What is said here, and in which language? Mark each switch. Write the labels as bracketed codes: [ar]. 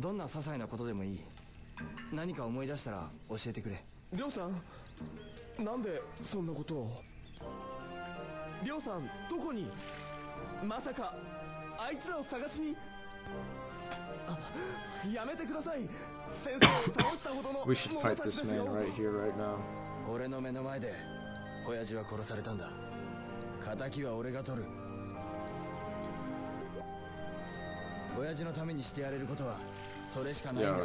[ja] どんな些細なことでもいい。何か思い出したら教えてくれ。りょうさん、なんでそんなことを。りょうさん、どこに。まさかあいつらを探しに。あ、やめてください。先生を倒したほどの [en] We should fight this man right here, right now. [ja] 俺の目の前で親父は殺されたんだ。仇は俺が取る。親父のためにしてやれることはそれしかないんだ。